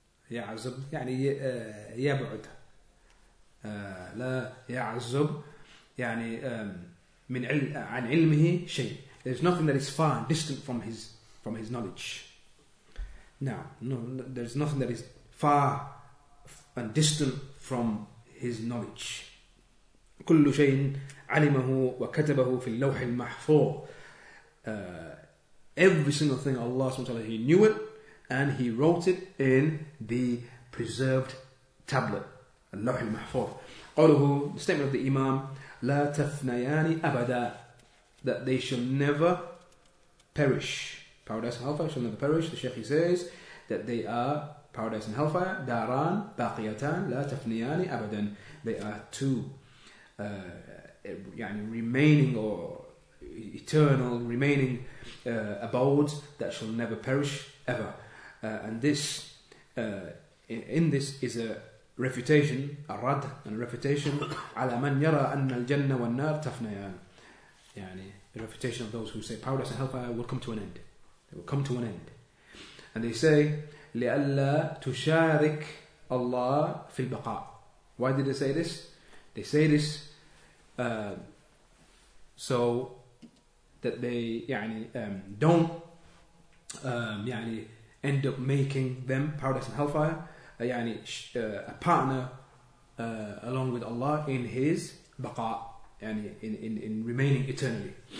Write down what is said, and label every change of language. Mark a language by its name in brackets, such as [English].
[Arabic] يَعْزُبْ يعني يَبْعُدْ لَا يَعْزُبْ يعني مِنْ عَنْ عِلْمِهِ شَيْءٍ [English] There's nothing that is far and distant from his knowledge. Now, no, there's nothing that is far and distant from his knowledge. [Arabic] كل شيء علمه وكتبه في اللوح المحفوظ. [English] Every single thing Allah subhanahu wa ta'ala, he knew it and he wrote it in the preserved tablet. [Arabic] اللوح المحفوظ. [English] قوله, the statement of the Imam, [Arabic] لا تفنياني أبدا. [English] That they shall never perish. Paradise and hellfire shall never perish. The Shaykh he says that they are Paradise and Hellfire, [Arabic] Daran, Baqiyatan, La Tafniyani, Abadan. [English] They are two يعني remaining or eternal remaining abodes that shall never perish ever. And this, in this is a reputation, [Arabic] الرد [English] and reputation [Arabic] على من يرى أن الجنة والنار تفنيان. [English] يعني the reputation of those who say paradise and hellfire will come to an end. They will come to an end. And they say [Arabic] لألا تشارك الله في البقاء. [English] Why did they say this? They say this so that they don't end up making them paradise and hellfire a partner along with Allah in his baqa, yani in remaining eternally.